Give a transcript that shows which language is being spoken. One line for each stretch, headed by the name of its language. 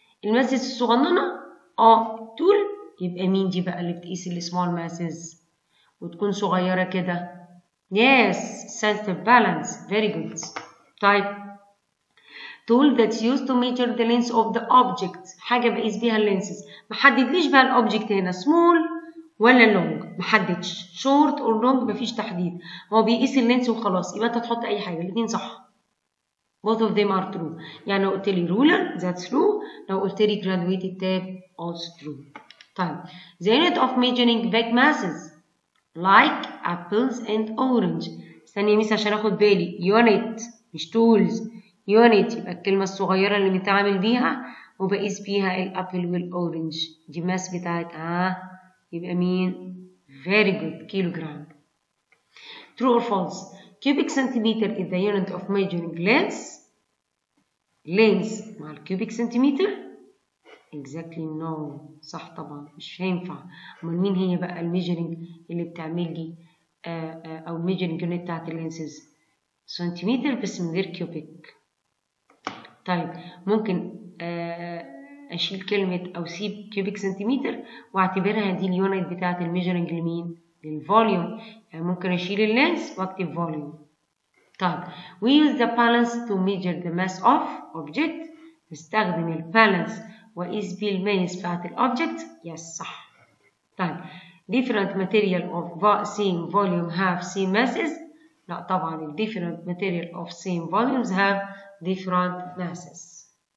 Arabic: الماسس الصغننة؟ أه tool يبقى مين دي بقى اللي بتقيس الـ
English: small masses
Arabic: وتكون صغيرة كده؟
English: Yes, center balance. Very good. طيب tool that used to measure the length of the object.
Arabic: حاجة بقيس بيها اللينسز. محددليش بقى الأوبجكت هنا small ولا long. محددش.
English: Short or long
Arabic: مفيش تحديد. هو بيقيس اللينس وخلاص. يبقى أنت تحط أي حاجة. الاتنين صح.
English: Both of them are true.
Arabic: يعني لو قلت لي
English: ruler that's true.
Arabic: لو قلت لي
English: graduated tab also true. طيب the unit of measuring bag masses. Like apples and orange.
Arabic: استني ميس عشان اخد بالي. Unit مش tools. Unit يبقى الكلمة الصغيرة اللي بتعمل بيها وبقيس بيها الابل والاورنج. دي ماس بتاعت يبقى مين؟
English: Very good. Kilogram. True or false. Cubic centimeter is the unit of measuring length.
Arabic: Length مع الكيوبيك سنتيمتر.
English: Exactly no.
Arabic: صح طبعا مش هينفع. أمال مين هي بقى الميجرنج اللي بتعمل لي أو الميجرنج يونت بتاعت اللينسز؟ سنتيمتر بس من غير كيوبيك. طيب ممكن أشيل كلمة أو سيب كيوبيك سنتيمتر وأعتبرها دي اليونت بتاعت الميجرنج لمين؟ للفوليوم. يعني ممكن أشيل اللينس وأكتب فوليوم.
English: طيب we use the balance to measure the mass of object.
Arabic: نستخدم البالانس وقيس بيه الميز بتاعت الأوبجكت. يس صح.
English: طيب different material of same volume have same masses.
Arabic: لا طبعا
English: ال different material of same volumes have different masses.